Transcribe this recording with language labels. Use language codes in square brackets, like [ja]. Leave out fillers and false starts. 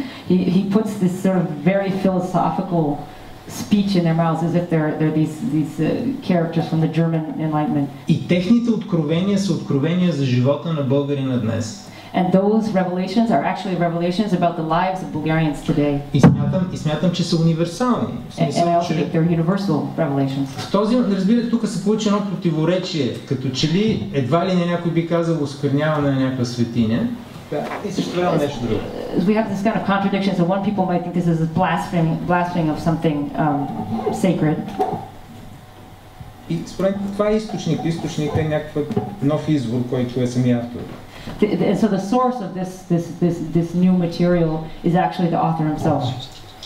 [en] He puts this sort of very philosophical speech in their mouths as if they're these characters from the German Enlightenment. [bg] И техните откровения са откровения за живота на българина днес. [en] And those revelations are actually revelations about the lives of Bulgarians today. [bg] И смятам, че са универсални. [en] And I also think they're universal revelations. [bg] В този, разбирате, тук се получи едно противоречие, като че ли едва ли не някой би казал оскърняване на някаква светиня. [en] As we have this kind of contradiction, so one people might think this is a blaspheming of something sacred. So the source of this new material is actually the author himself.